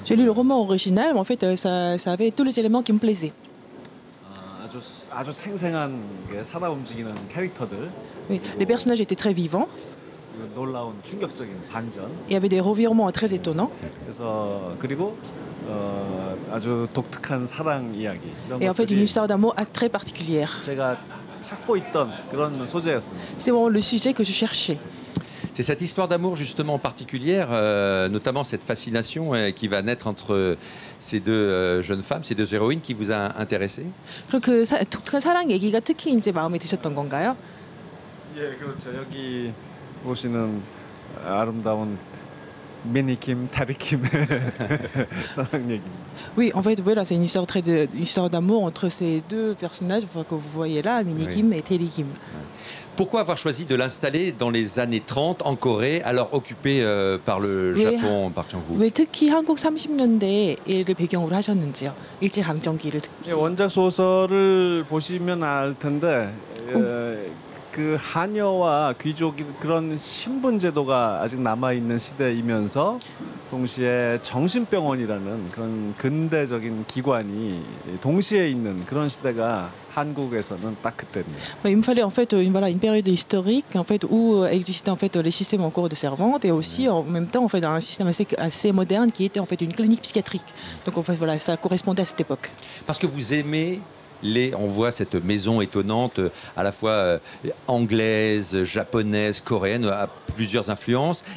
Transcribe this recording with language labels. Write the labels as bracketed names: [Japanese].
[French] J'ai lu le roman original, en fait, ça avait tous les éléments qui me plaisaient. [Korean] 아주 생생한 게 살아 움직이는 캐릭터들. [French] Oui, les personnages étaient très vivants. [Korean] 놀라운 충격적인 반전. [French] Il y avait des revirements très étonnants. [Korean] 그래서 그리고 아주 독특한 사랑 이야기. [French] Et en fait, une histoire d'amour très particulière. [Korean] 제가 찾고 있던 그런 소재였습니다. [French] C'est vraiment le sujet que je cherchais. C'est cette histoire d'amour justement particulière, notamment cette fascination qui va naître entre ces deux jeunes femmes, ces deux héroïnes, qui vous a intéressé. [Korean] 그럼 그 독특한 사랑 얘기가 특히 이제 마음에 드셨던 건가요? 예, 그렇죠. 여기 보시는 아름다운 미니 김, 다리 김 사랑 얘기. [French] Oui, en fait, voilà, c'est une histoire très histoire d'amour entre ces deux personnages, enfin que vous voyez là, Min Hee Kim et Tae-ri Kim. Pourquoi avoir choisi de l'installer dans les années 30 en Corée, alors occupée par le Japon, Park Chan-wook? [Korean] 왜 특히 한국 30년대를 배경으로 하셨는지요? 일제 강점기를 특히. 원작 소설을 보시면 알 텐데 그 하녀와 귀족 그런 신분 제도가 아직 남아 있는 시대이면서 동시에 정신병원이라는 그런 근대적인 기관이 동시에 있는 그런 시대가 한국에서는 딱 그때입니다. [French] Il fallait en fait voilà une période historique en fait où existait en fait le système en cours de servante et aussi en même temps en fait un système assez moderne qui était en fait une clinique psychiatrique. Donc en fait voilà ça correspondait à cette époque. Parce que vous aimez on voit cette maison étonnante à la fois anglaise, japonaise, coréenne, à plusieurs influences.